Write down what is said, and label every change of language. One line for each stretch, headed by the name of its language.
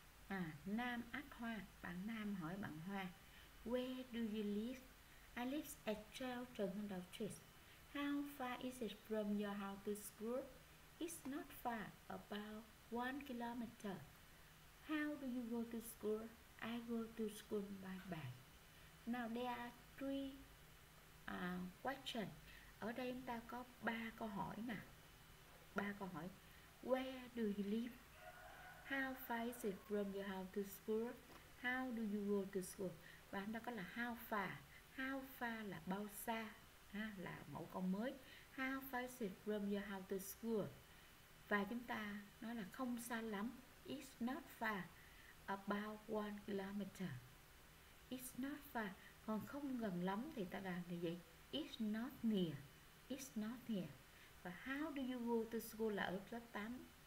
Vietnamese: À, Nam ask Hoa, bạn Nam hỏi bạn Hoa.
English: Where do you live? I live at 12 Trần Hưng Đạo Street. How far is it from your house to school? It's not far, about 1 kilometer. How do you go to school? I go to school by bike. Now there are three questions.
Vietnamese: Ở đây chúng ta có ba câu hỏi nè. Ba câu hỏi.
English: Where do you live? How far is it from your house to school? How do you go to school?
Vietnamese: Và chúng ta có là
English: how far. How far
Vietnamese: là bao xa? Ha, là mẫu câu mới.
English: How far is it from your house to school?
Vietnamese: Và chúng ta nói là không xa lắm.
English: It's not far. About 1 kilometer. It's not far.
Vietnamese: Còn không gần lắm thì ta làm như vậy.
English: It's not near. It's not near. Và how do you go to school
Vietnamese: là ở lớp 8.